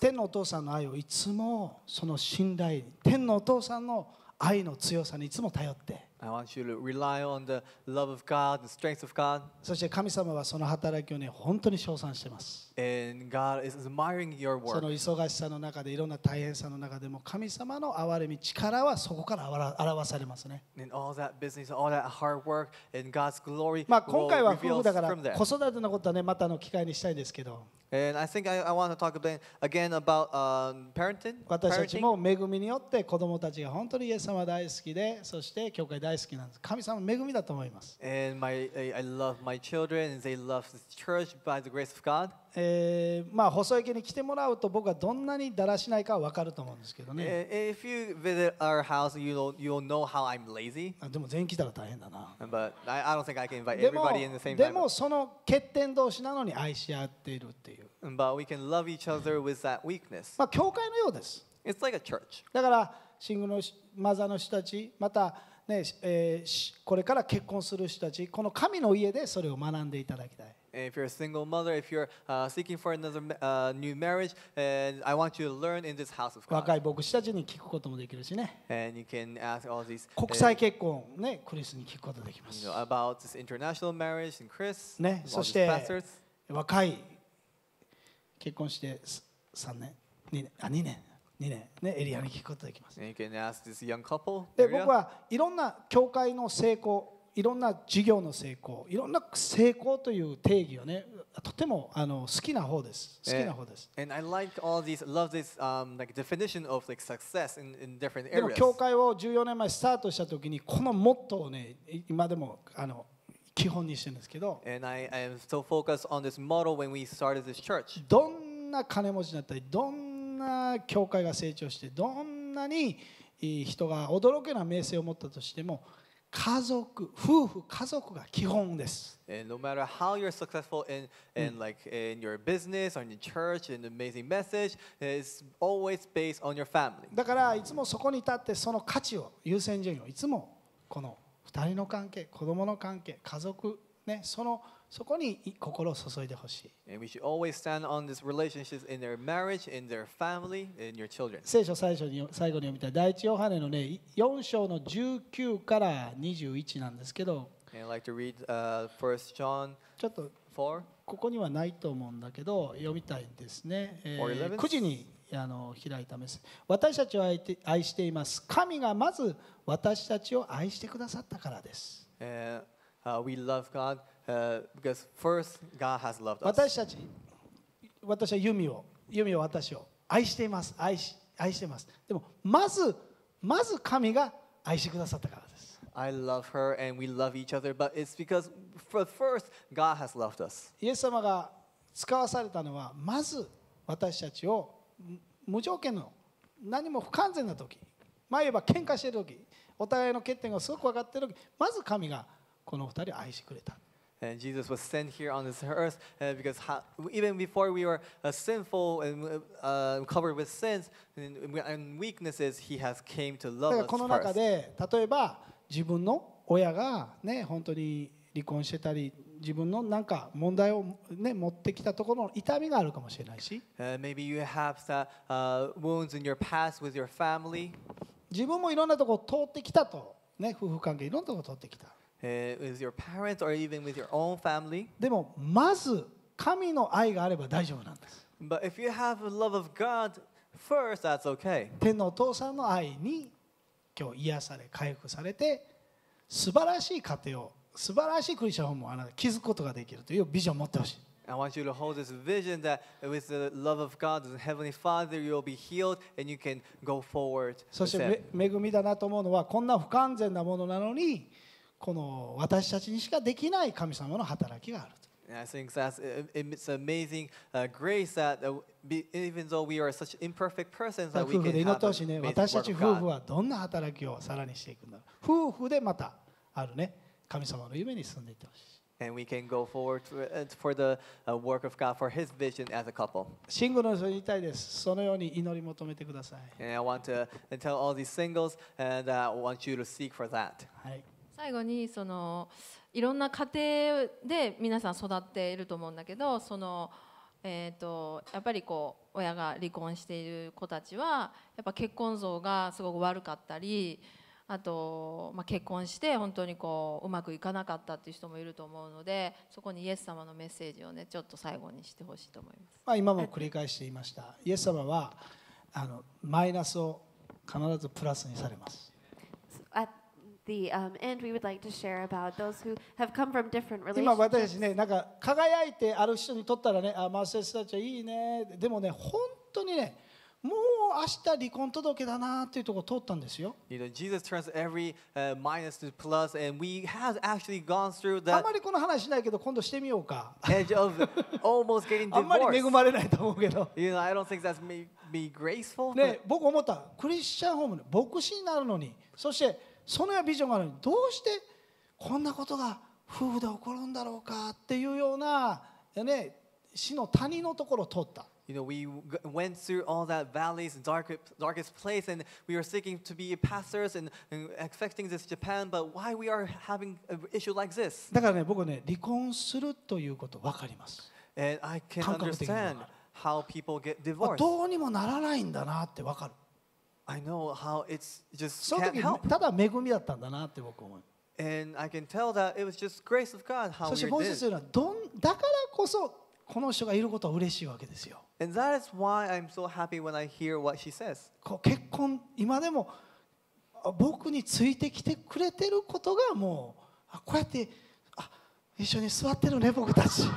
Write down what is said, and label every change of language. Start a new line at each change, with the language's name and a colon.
Japanese: 天のお父さんの愛をいつもその信頼、天のお父さんの愛の強さにいつも頼って。
English: I want you to rely on the love of God, the strength of God.
Japanese: そして神様はその働きをね本当に称賛してます。
English: And God is admiring your work.
Japanese: その忙しさの中でいろんな大変さの中でも神様の憐れみ力はそこから表されますね。
English: In all that business, all that hard work, and God's glory.
Japanese: まあ今回は夫婦だから子育てのことはねまたの機会にしたいんですけど。
English: And I think I want to talk again about parenting.
Japanese: 私たちも恵みによって子供たちが本当にイエス様大好きで、そして教会大好きなんです。神様の恵みだと思います。
English: And I love my children, and they love the church by the grace of God.
Japanese: まあ細い家に来てもらうと僕はどんなにだらしないかは分かると思うんですけどね。
English: If you visit our house, you'll know how I'm lazy.
Japanese: でも全員来たら大変だな。
English: But I don't think I can invite everybody in the same time.
Japanese: でもその欠点同士なのに愛し合っているっていう。
English: But we can love each other with that weakness.
Japanese: まあ教会のようです。
English: It's like a church.
Japanese: だからシングルのマザーの人たち、またね、これから結婚する人たち、この神の家でそれを学んでいただきたい。
English: If you're a single mother, if you're seeking for another new marriage, and I want you to learn in this house of God.
Japanese: 若い牧師たちに聞くこともできるしね。
English: And you can ask all these.
Japanese: 国際結婚ね、クリスに聞くことができます。
English: You know, about this international marriage and Chris.
Japanese: ね、そして若い結婚して3年、2年ね、エリアに聞くことができます。
English: And you can ask this young couple.
Japanese: で、僕はいろんな教会の成功。いろんな事業の成功、いろんな成功という定義をね、とても好きな方です。好きな方です。
English: And I like all these, love this, like definition of like success in different areas.
Japanese: でも教会を14年前スタートした時にこのモットーをね、今でも基本にしてるんですけど。
English: And I am so focused on this model when we started this church.
Japanese: どんな金持ちになったり、どんな教会が成長して、どんなに人が驚くような名声を持ったとしても。家族、夫婦、家族が基本です。
English: And no matter how you're successful in like in your business or in your church, an amazing message is always based on your family.
Japanese: だからいつもそこに立ってその価値を優先順位をいつもこの二人の関係、子供の関係、家族ね、そのそこに心を注いでほしい。
English: And we should always stand on these relationships in their marriage, in their family, in your children.
Japanese: 聖書最初に最後に読みたい第一ヨハネのね4章の19から21なんですけど。
English: And I'd like to read First John 4.
Japanese: ちょっとここにはないと思うんだけど読みたいんですね。 9時に開いたメッセージ。私たちを愛しています。神がまず私たちを愛してくださったからです。
English: We love God. Because first God has loved us.
Japanese: 私たち、私はユミを私を愛しています、愛しています。でもまず神が愛してくださったからです。
English: I love her and we love each other, but it's because for first God has loved us.
Japanese: イエス様が使わされたのはまず私たちを無条件の何も不完全な時、まあ言えば喧嘩している時、お互いの欠点がすごく分かっている時、まず神がこの二人を愛してくれた。
English: And Jesus was sent here on this earth because even before we were sinful and covered with sins and weaknesses, He has came to love us first.
Japanese: この中で例えば自分の親がね本当に離婚してたり。自分のなんか問題を、ね、持ってきたところの痛みがあるかもしれないし、
English: maybe you have the, wounds in your past with your family.
Japanese: 自分もいろんなところ通ってきたと、ね、夫婦関係いろんなところ通ってきた、
English: with your parents or even with your own family.
Japanese: でもまず神の愛があれば大丈夫なんです。
English: But if you have the love of God first, that's okay.
Japanese: 天のお父さんの愛に今日癒され回復されて素晴らしい家庭を素晴らしいクリスチャンホームをあなたが築くことができるというビジョンを持ってほしい。
English: I want you to hold this vision that with the love of God, the Heavenly Father, you'll be healed and you can go forward.
Japanese: そして恵みだなと思うのはこんな不完全なものなのにこの私たちにしかできない神様の働きがあると。
English: I think that it's amazing grace that even though we are such imperfect persons, that we can have the amazing work of God.
Japanese: 私たち夫婦はどんな働きをさらにしていくんだろう。夫婦でまたあるね。神様の夢に進んでいってほしい。
English: And we can go forward for the work of God for His vision as a couple.
Japanese: シングルの人に言いたいです。そのように祈り求めてください。
English: And I want to tell all these singles and I want you to seek for that.
Japanese: はい。最後にそのいろんな家庭で皆さん育っていると思うんだけど、そのやっぱりこう親が離婚している子たちはやっぱ結婚像がすごく悪かったり。あと、まあ、結婚して本当にこ うまくいかなかったっていう人もいると思うのでそこにイエス様のメッセージをねちょっと最後にしてほしいと思います。まあ、今も繰り返していました。イエス様はあのマイナスを必ずプラスにされます。
English: so、at the end we would like to share about those who have come from different relationships.
Japanese: 今私ねなんか輝いてある人にとったらねあマセスたちはいいね。でもね本当にねもう明日離婚届けだなっていうところ通ったんですよ。
English: You know, Jesus turns every minus to plus, and we have actually gone through that.
Japanese: あまりこの話しないけど、今度してみようか。
English: Edge of almost getting divorced.
Japanese: あまり恵まれないと思うけど。
English: You know, I don't think that's may be graceful.
Japanese: ね、僕思った。クリスチャンホームで牧師になるのに、そしてそのようなビジョンがあるのに、どうしてこんなことが夫婦で起こるんだろうかっていうようなね、死の谷のところ通った。
English: You know, we went through all that valleys, darkest place, and we were seeking to be pastors and expecting this Japan, but why we are having an issue like this?
Japanese: だからね、僕ね、離婚するということわかります。
English: And I can understand how people get divorced.
Japanese: どうにもならないんだなってわかる。
English: I know how it's just can't help.
Japanese: その時、ただ恵みだったんだなって僕思う。
English: And I can tell that it was just grace of God how
Japanese: そして、もう一つは、だからこそ、この人がいることは嬉しいわけですよ。
English: And that is why I'm so happy when I hear what she says.
Japanese: 結婚今でも僕についてきてくれてることがもうこうやって一緒に座ってるね僕たち。